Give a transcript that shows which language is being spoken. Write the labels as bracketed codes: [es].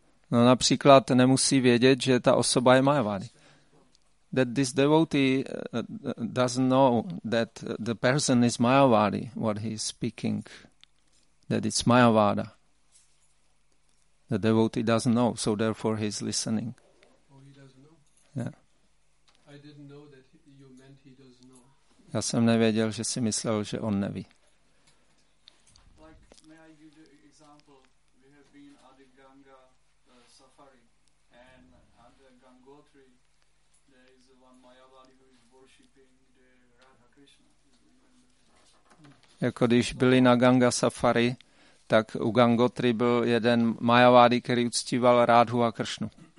[cs] No například nemusí vědět, že ta osoba je Mayavadi. [en] that this devotee doesn't know that the person is Mayavadi, what he is speaking, that it's Mayavada. The devotee doesn't know, so therefore he's listening. Oh, he doesn't know? Yeah. I didn't know that you meant he doesn't know. [cs] Já jsem nevěděl, že si myslel, že on neví. [en] Like, may I give you an example? We have been Adi Ganga safari, and under Gangotri, there is one Mayavadi who is worshipping the Radha Krishna. [cs] Jako když byli na Ganga safari, tak u Gangotri byl jeden Mayavadi, který uctíval Rádhu a Kršnu.